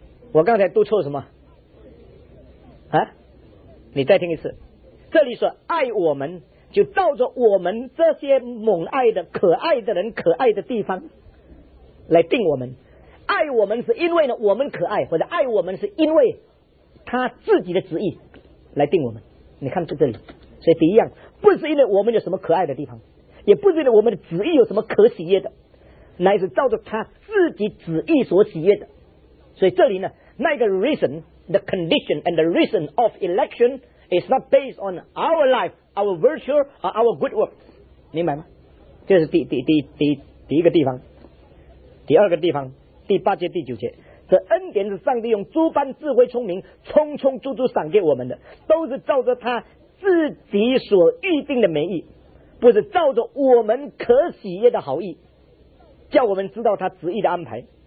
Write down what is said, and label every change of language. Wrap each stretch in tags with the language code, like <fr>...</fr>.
<zh>我刚才读错什么啊？你再听一次，这里说爱我们就照着我们这些蒙爱的可爱的人可爱的地方来定我们，爱我们是因为呢我们可爱，或者爱我们是因为他自己的旨意来定我们。你看这里，所以第一样不是因为我们有什么可爱的地方，也不是因为我们的旨意有什么可喜悦的，乃是照着他自己旨意所喜悦的。</zh> <en>所以这里呢，那个 reason the condition and the reason of election is not based on our life our virtue or our good works，明白吗？</en> <zh>这是第一个地方。第二个地方，第八节第九节，这恩典是上帝用诸般智慧聪明充充足足赏给我们的，都是照着他自己所预定的美意，不是照着我们可喜悦的好意，叫我们知道他旨意的安排。</zh>